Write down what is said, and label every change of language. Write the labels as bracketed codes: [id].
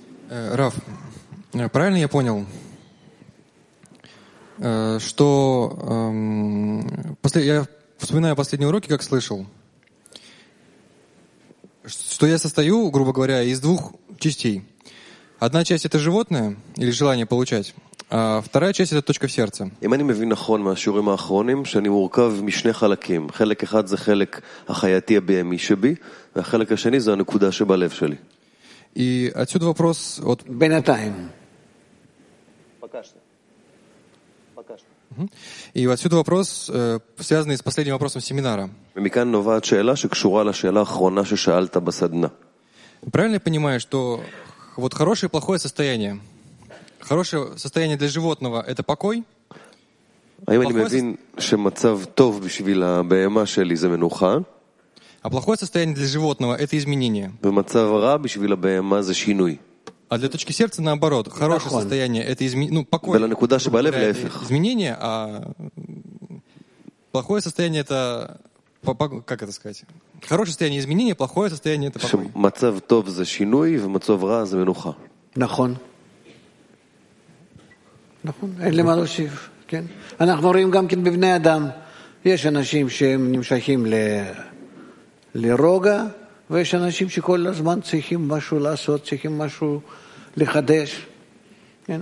[ru] רב, правильно я понял, что я вспоминаю последние уроки, как слышал, что я состою, грубо говоря, из двух частей. Одна часть — это животное или желание получать, а вторая часть — это точка в сердце. [he] И мне мы виноход машурим אחרונים, שאני מורכב משני חלקים. חלק אחד זה חלק החייתי הבימי שבי, והחלק השני זה הנקודה שבלב שלי. [ru] И отсюда вопрос от [he] בינתיים. [ru] Пока что. И отсюда вопрос, связанный с последним вопросом семинара. Правильно я понимаю, что вот хорошее и плохое состояние? Хорошее состояние для животного – это покой? [he] האם אני מבין שמצב טוב בשביל הבהמה שלי זה מנוחה? [ru] А плохое состояние для животного – это изменение. [he] ומצב רע בשביל הבהמה זה שינוי. [ru] А для точки сердца наоборот. Хорошее состояние – это покой. [he] ולנקודה שבלב להפך. [ru] Изменение, а плохое состояние – это... Как это сказать? Хорошее состояние – изменение, плохое состояние – это покой. [he] מצב טוב זה שינוי, ומצב רע זה מנוחה. נכון. נכון. אין למה להוסיף. כן. אנחנו רואים גם כן בבני אדם. יש אנשים שהם נמשכים לרוגע, ויש אנשים שכל הזמן צריכים משהו לעשות, צריכים משהו לחדש. כן.